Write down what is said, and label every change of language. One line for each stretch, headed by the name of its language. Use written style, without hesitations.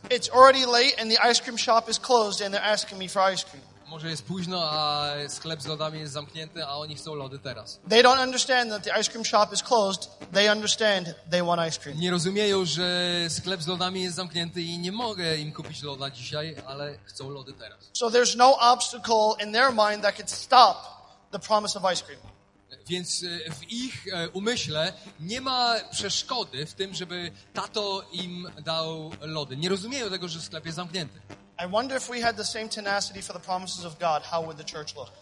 English: It's already late and the ice cream shop is closed and they're asking me for ice cream.
Polish: Może jest późno, a sklep z lodami jest zamknięty, a oni chcą lody teraz.
English: They don't understand that the ice cream shop is closed. They understand they want ice cream.
Polish: Nie rozumieją, że sklep z lodami jest zamknięty i nie mogę im kupić loda dzisiaj, ale chcą lody teraz.
English: So there's no obstacle in their mind that could stop the promise of ice cream.
Polish: Więc w ich umyśle nie ma przeszkody w tym, żeby tato im dał lody. Nie rozumieją tego, że sklep jest zamknięty.
English: I wonder if we had the same tenacity for the promises of God, how would the church look?